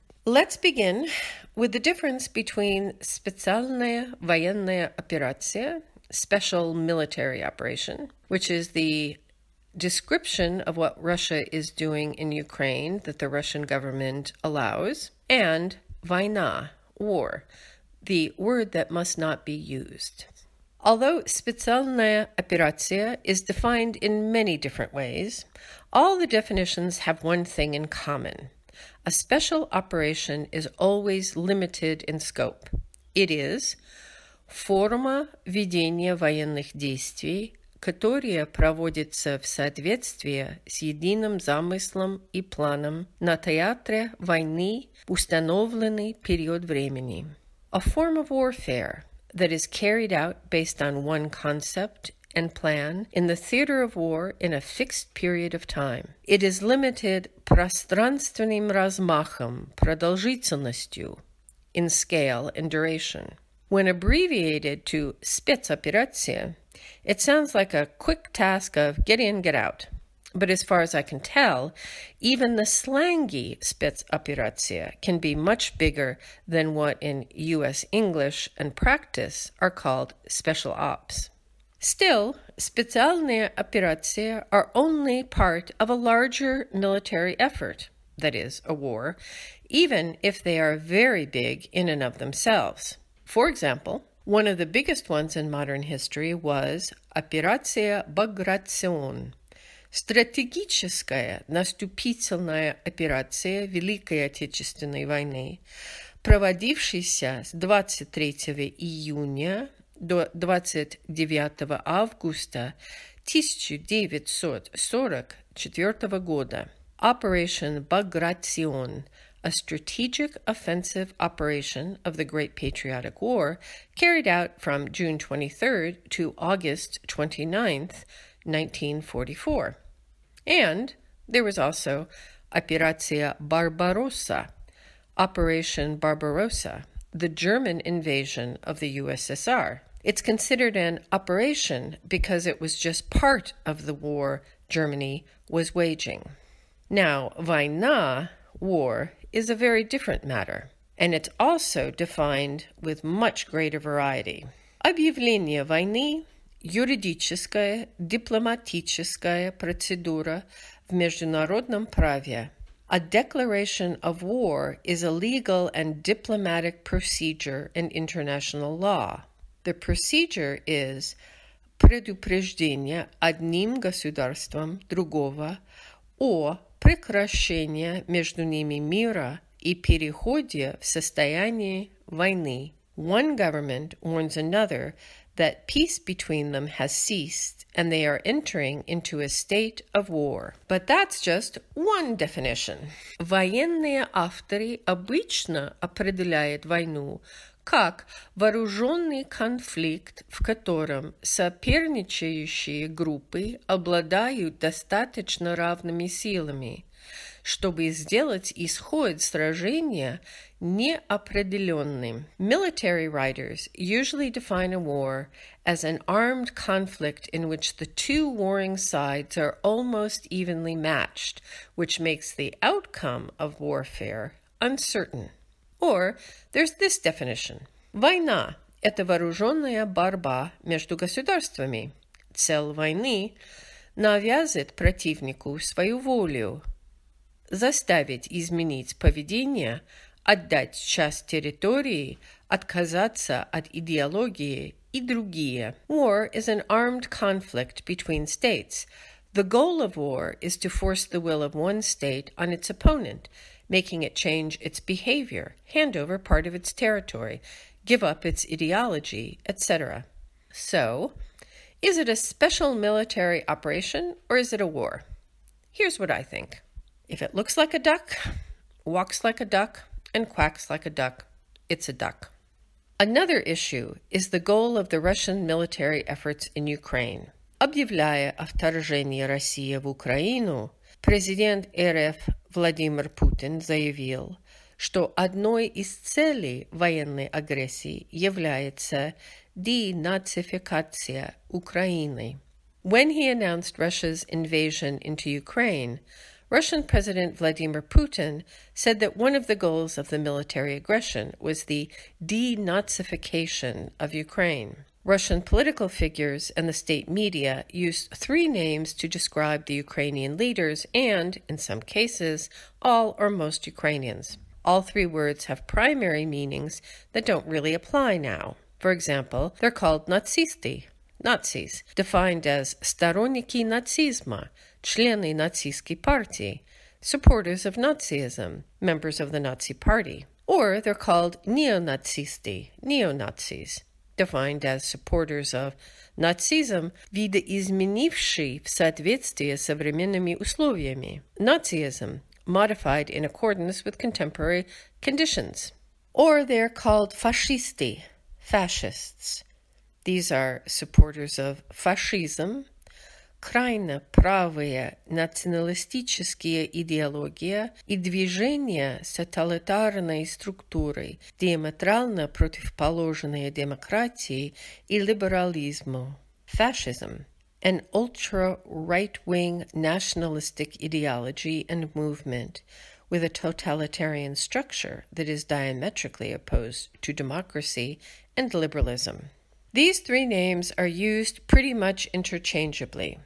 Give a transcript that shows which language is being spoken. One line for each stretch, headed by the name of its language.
English: Let's begin with the difference between
Russian: специальная военная операция,
English: special military operation, which is the description of what Russia is doing in Ukraine that the Russian government allows, and война, war, the word that must not be used. Although
Russian: специальная операция
English: is defined in many different ways, all the definitions have one thing in common. A special operation is always limited in scope. It is
Russian: форма ведения военных действий, которая проводится в соответствии с единым замыслом и планом на театре войны в установленный период времени.
English: A form of warfare that is carried out based on one concept and plan in the theater of war in a fixed period of time. It is limited
Russian: пространственным размахом, продолжительностью,
English: in scale and duration. When abbreviated to спецоперация, it sounds like a quick task of get in, get out. But as far as I can tell, even the slangy spitzoperatia can be much bigger than what in U.S. English and practice are called special ops. Still,
Russian: специальные операции
English: are only part of a larger military effort, that is, a war, even if they are very big in and of themselves.
Russian: For example, one of the biggest ones in modern history was Операция Багратион, стратегическая наступительная операция Великой Отечественной войны, проводившаяся с 23 июня до 29 августа 1944 года.
English: Operation Bagration, a strategic offensive operation of the Great Patriotic War, carried out from June 23rd to August 29th, 1944. And there was also Operazione Barbarossa, Operation Barbarossa, the German invasion of the USSR. It's considered an operation because it was just part of the war Germany was waging. Now, война, war, is a very different matter, and it's also defined with much greater variety.
Russian: Объявление войны – юридическая дипломатическая процедура в международном праве.
English: A declaration of war is a legal and diplomatic procedure in international law. The procedure is
Russian: предупреждение одним государством другого о прекращении между ними мира и переходе в состояние войны.
English: One government warns another that peace between them has ceased and they are entering into a state of war. But that's just one definition.
Russian: Военные авторы обычно определяют войну как вооруженный конфликт, в котором соперничающие группы обладают достаточно равными силами, чтобы сделать исход сражения неопределенным.
English: Military writers usually define a war as an armed conflict in which the two warring sides are almost evenly matched, which makes the outcome of warfare uncertain. Or there's this definition.
Russian: Война – это вооруженная борьба между государствами. Цель войны – навязать противнику свою волю, заставить изменить поведение, отдать часть территории, отказаться от идеологии и другие.
English: War is an armed conflict between states. The goal of war is to force the will of one state on its opponent, making it change its behavior, hand over part of its territory, give up its ideology, etc. So, is it a special military operation or is it a war? Here's what I think. If it looks like a duck, walks like a duck, and quacks like a duck, it's a duck. Another issue is the goal of the Russian military efforts in Ukraine.
Russian: Объявляя о вторжении России в Украину, президент РФ Владимир Путин заявил, что одной из целей военной агрессии является денацификация Украины.
English: When he announced Russia's invasion into Ukraine, Russian President Vladimir Putin said that one of the goals of the military aggression was the denazification of Ukraine. Russian political figures and the state media used three names to describe the Ukrainian leaders and, in some cases, all or most Ukrainians. All three words have primary meanings that don't really apply now. For example, they're called нацисты, Nazis, defined as
Russian: сторонники нацизма, члены нацистской партии,
English: supporters of Nazism, members of the Nazi Party. Or they're called неонацисты, неонацис, defined as supporters of Nazism,
Russian: видоизменивший в соответствии с современными условиями,
English: Nazism, modified in accordance with contemporary conditions. Or they're called фашисты, fascists. These are supporters of fascism,
Russian: крайне правые националистические идеологии и движения с тоталитарной структурой, диаметрально противоположные демократии и либерализму.
English: Fascism, an ultra-right-wing nationalistic ideology and movement with a totalitarian structure that is diametrically opposed to democracy and liberalism. These three names are used pretty much interchangeably.